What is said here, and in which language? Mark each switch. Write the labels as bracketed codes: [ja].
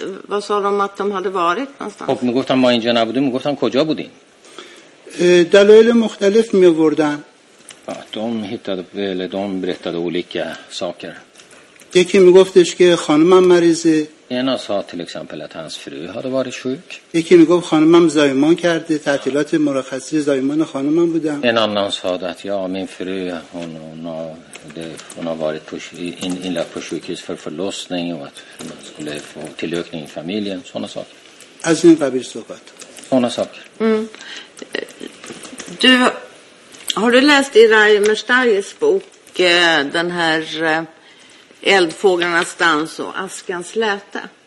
[sv] Vad sa de att de hade varit någonstans? Vad sa de att de hade varit någonstans? Jag har sagt att de inte var där. [fa] Dalail مختلف می آوردن. [sv] De hittade väl, de berättade olika saker. [fa] یکی می گفتش که خانمم مریضه. [sv] En sa till exempel att hans fru hade varit sjuk. [fa] یکی می گفت خانمم زایمان کرده، تعطیلات مرخصی زایمان خانمم بودم. [sv] En annan sa att ja, min fru hon har varit inlagd på sjukhus för förlossning och att man skulle få tillökning i familjen, såna saker. [fa] از این قبیل صحبت. [sv] Såna saker. Du har du läst i Rai Mersdaris bok den här Eldfåglarnas dans och askans läte.